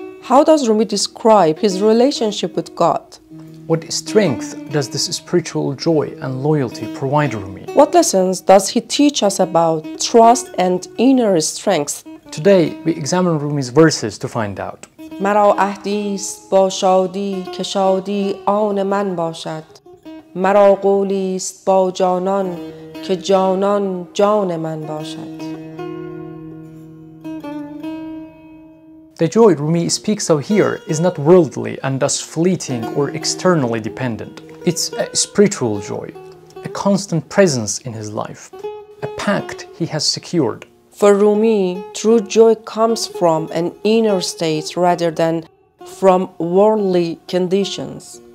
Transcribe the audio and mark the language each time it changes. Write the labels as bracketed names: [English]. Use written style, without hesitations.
[English] How does Rumi describe his relationship with God? What strength does this spiritual joy and loyalty provide Rumi? What lessons does he teach us about trust and inner strength? Today, we examine Rumi's verses to find out. [Persian] مرا عهدیست با شادی که شادی آن من باشد. مرا قولیست با جانان که جانان جان من باشد. [English] The joy Rumi speaks of here is not worldly and thus fleeting or externally dependent. It's a spiritual joy, a constant presence in his life, a pact he has secured. For Rumi, true joy comes from an inner state rather than from worldly conditions.